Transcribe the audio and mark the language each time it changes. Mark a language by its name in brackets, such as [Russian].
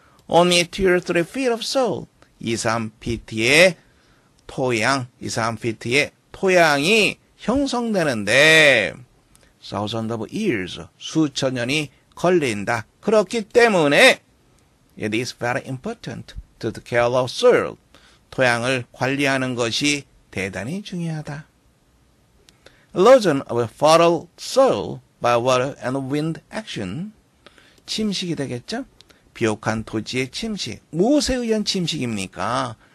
[English] Only 2 or 3 feet of soil. [Korean] 2-3피트의 토양, 2-3피트의 토양이 형성되는데 [English] thousand of years, [Korean] 수천 년이 걸린다. 그렇기 때문에 [English] it is very important to take care of soil. [Korean] 토양을 관리하는 것이 대단히 중요하다. [English] Erosion of a fertile soil by water and wind action. [Korean] 침식이 되겠죠? 비옥한 토지의 침식. 무엇에 의한 침식입니까?